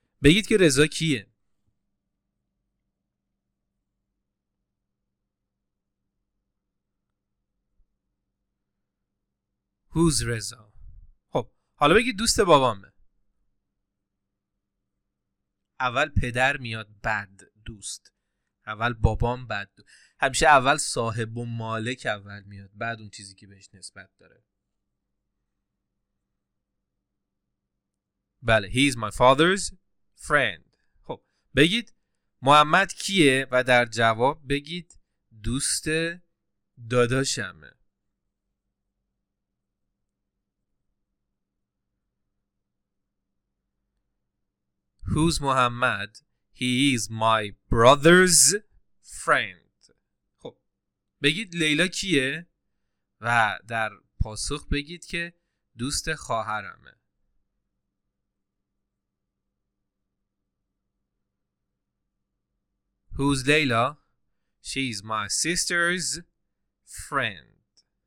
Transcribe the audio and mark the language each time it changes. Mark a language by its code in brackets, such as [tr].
[fa] بگید که رضا کیه؟ [en] Who's [fa] رضا؟ خب حالا بگید دوست بابامه. اول پدر میاد، بعد دوست. اول بابام، بعد دوست. همیشه اول صاحب و مالک اول میاد، بعد اون چیزی که بهش نسبت داره. بله، [en] he is my father's friend. [fa] خب بگید محمد کیه و در جواب بگید دوست داداشمه. [en] Who's Muhammad? He is my brother's friend. [fa] خب بگید لیلا کیه و در پاسخ بگید که دوست خواهرمه. [en] Who's Layla? She's my sister's friend.